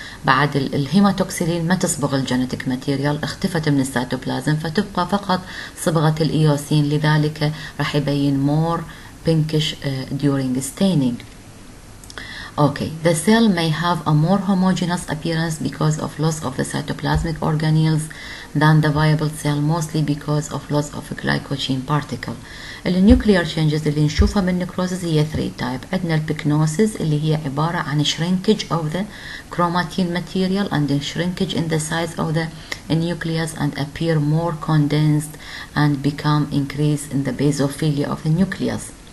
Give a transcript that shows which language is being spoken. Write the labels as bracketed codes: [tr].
[ar] بعد الهيماتوكسيلين ما تصبغ الجينيتك ماتيريال, اختفت من السيتوبلازم فتبقى فقط صبغة الإيوسين, لذلك راح يبين more [en] pinkish during staining. Okay, the cell may have a more homogeneous appearance because of loss of the cytoplasmic organelles than the viable cell, mostly because of loss of a glycogen particle. [ar] النيوكليار changes اللي نشوفها من necrosis هي 3 type. عندنا البكنوسيس اللي هي عبارة عن [en] shrinkage of the chromatin material and shrinkage in the size of the nucleus and appear more condensed and become increased in the basophilia of the nucleus.